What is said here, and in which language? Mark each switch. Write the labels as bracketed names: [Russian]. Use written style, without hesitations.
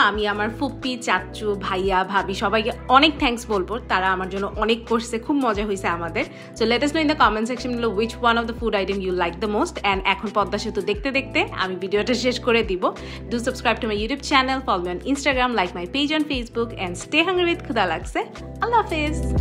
[Bangla] আমি আমার ফুপি, চাচু, ভাইয়া, ভাবি সবাইকে অনেক থ্যাঙ্কস বলবো। তারা আমার জন্য অনেক করছে, খুব মজা হয়েছে আমাদের। [English] So let us know in the comment section below which one of the food item you like the most. [Bangla] And এখন পদ্মা সেতু দেখতে দেখতে আমি ভিডিওটা শেষ করে দিব। [English] Do subscribe to my YouTube channel, follow me on Instagram, like my page on Facebook, and stay hungry with Khudalagse. Allah Hafiz.